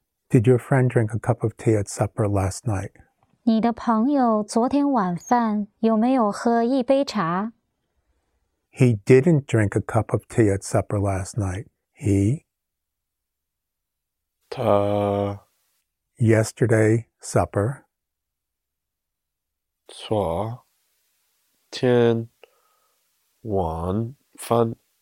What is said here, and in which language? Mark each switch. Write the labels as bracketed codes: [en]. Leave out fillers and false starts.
[en] Did your friend drink a cup of tea at supper last night? [zh] 你的朋友昨天晚饭有没有喝一杯茶? [en] He didn't drink a cup of tea at supper last night. He? [zh] 他. [en] Yesterday supper. [zh] 昨天晚饭.